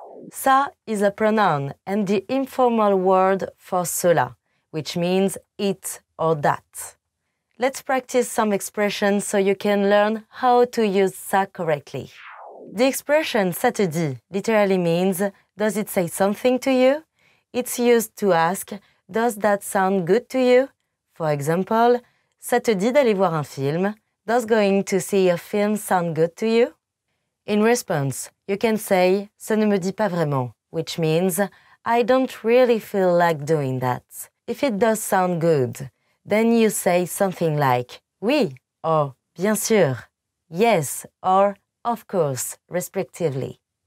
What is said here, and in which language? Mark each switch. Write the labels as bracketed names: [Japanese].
[English] Ça is a pronoun and the informal word for cela, which means it or that. Let's practice some expressions so you can learn how to use ça correctly. The expression Saturday literally means, does it say something to you? It's used to ask, does that sound good to you? For example, [French] ça te dit d'aller voir un film? [English] Does going to see a film sound good to you? In response, you can say, [French] ça ne me dit pas vraiment, [English] which means, I don't really feel like doing that. If it does sound good, then you say something like, oui, or bien sûr, yes, or of course, respectively.